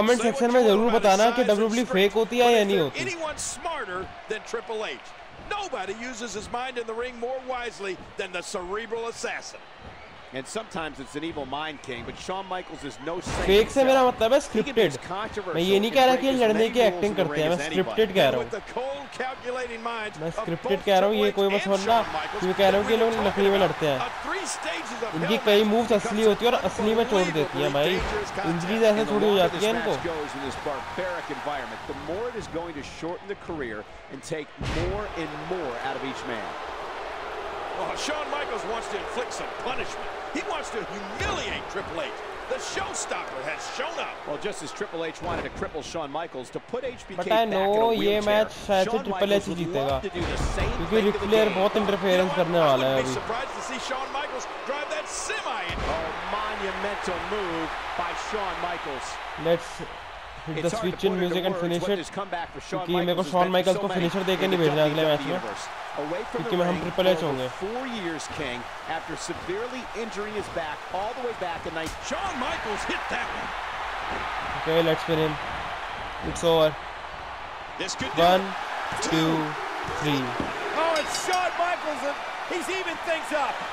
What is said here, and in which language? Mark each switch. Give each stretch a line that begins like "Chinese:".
Hindi: Comment section में जरूर बताना कि WWE फेक होती है या नहीं होती
English: anyone smarter than Triple H. Nobody uses his mind in the ring more wisely than the cerebral assassin. And sometimes it's an evil mind king, but Shawn Michaels is no saint.
Hindi: Fake से मेरा मतलब है scripted मैं ये नहीं कह रहा कि ये लड़ने की एक्टिंग करते हैं मैं स्क्रिप्टेड कह रहा हूं मैं स्क्रिप्टेड कह रहा हूं ये कोई बस बंदा क्यों कह रहा हूं कि लोग नकली में लड़ते हैं इनकी कई मूव्स असली होती है और असली में चोट देती है भाई इंजरीज ऐसे थोड़ी हो जाती है इनको
English: the more it is going to shorten the career and take more and more out of each man. Oh, Shawn Michaels wants to inflict some punishment. He wants to humiliate Triple H. The showstopper has shown up. Well, just as Triple H wanted to cripple Shawn Michaels to put HBK back in a wheelchair. But I know
Hindi: ये match शायद से Triple H जीतेगा क्योंकि Ric Flair बहुत interference करने वाला है अभी.
English: I'd be surprised to see Shawn Michaels drive that semi. Oh, monumental move by Shawn Michaels. Let's hit the switch in music and finish it.
Hindi: क्योंकि मेरे को Shawn Michaels को finisher देके नहीं भेजना अगले match में.
English: Away from the ring for 4 years, King, after severely injuring his back all the way back in 19... Shawn Michaels hit that one. Okay, let's spin him. It's over. This could one, two, three. Oh, it's Shawn Michaels. He's even things up.